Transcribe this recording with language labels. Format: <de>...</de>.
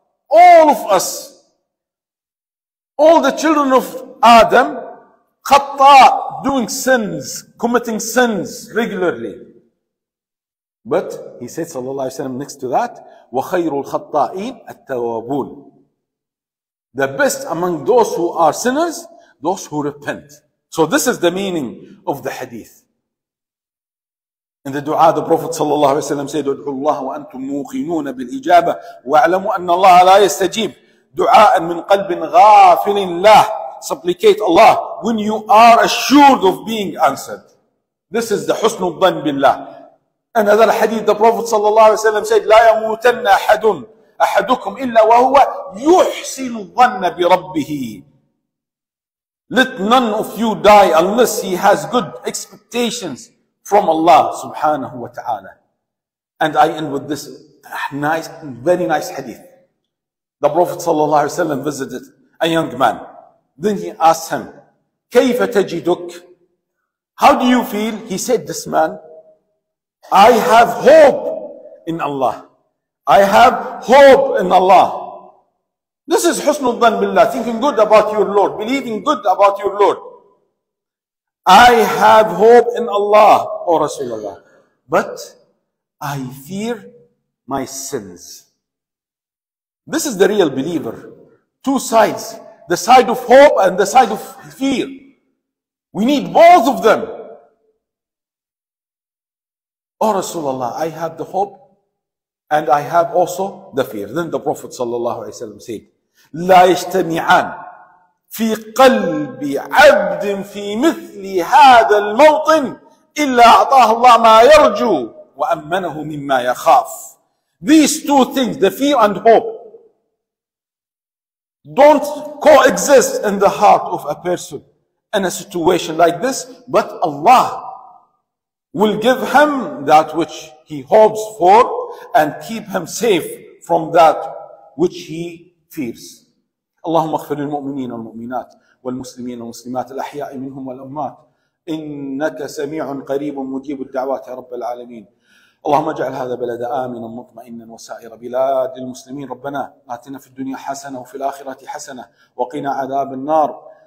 <en>All of us, all the children of Adam, khata, doing sins, committing sins regularly. But he said, sallallahu alaihi wasallam, next to that,</en> <ar>وَخَيْرُ الْخَطَّائِينَ التَّوَابُونَ.</ar> <en>The best among those who are sinners, those who repent. So this is the meaning of the hadith. In the dua, the Prophet sallallahu alaihi wasallam said,</en> <ar>ادعوا الله وأنتم موقنون بالإجابة واعلموا أن الله لا يستجيب دعاء من قلب غافل له.</ar> <en>supplicate Allah when you are assured of being answered. This is the</en> <ar>حسن الظن بالله. And هذا الحديث,</ar> <en>the Prophet</en> <ar>صلى الله عليه وسلم said, لا يموتن أحد أحدكم إلا وهو يحسن الظن بربه.</ar> <en>Let none of you die unless he has good expectations from Allah subhanahu wa ta'ala. And I end with this nice, very nice hadith. The Prophet صلى الله عليه وسلم visited a young man. Then he asked him,</en> <ar>كيف تجدك?</ar> <en>How do you feel? He said, this man, I have hope in Allah. I have hope in Allah. This is</en> <ar>حسن الظن بالله,</ar> <en>thinking good about your Lord, believing good about your Lord. I have hope in Allah, O Rasulullah, but I fear my sins. This is the real believer. Two sides, the side of hope and the side of fear. We need both of them. O Rasulullah, I have the hope and I have also the fear. Then the Prophet</en> <ar>صلى الله عليه وسلم said, لا يجتمعان في قلب عبد في مثل هذا الموطن إلا أعطاه الله ما يرجو وأمنه مما يخاف.</ar> <en>These two things, the fear and hope, don't coexist in the heart of a person in a situation like this, but Allah will give him that which he hopes for and keep him safe from that which he fears.</en> <ar>اللهم اغفر للمؤمنين والمؤمنات والمسلمين والمسلمات الأحياء منهم والأموات إنك سميع قريب مجيب الدعوات يا رب العالمين. اللهم اجعل هذا بلد آمنا مطمئنا وسائر بلاد المسلمين. ربنا آتنا في الدنيا حسنة وفي الآخرة حسنة وقنا عذاب النار.</ar>